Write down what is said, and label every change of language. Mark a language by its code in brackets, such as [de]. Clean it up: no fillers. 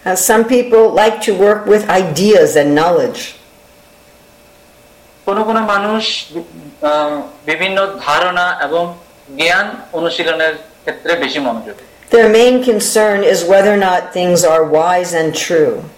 [en] Some people like to work with ideas and knowledge. [bn] কোনো কোনো মানুষ বিভিন্ন ধারণা এবং জ্ঞান অনুশীলনের ক্ষেত্রে বেশি মনোযোগ। [en] Their main concern is whether or not things are wise and true.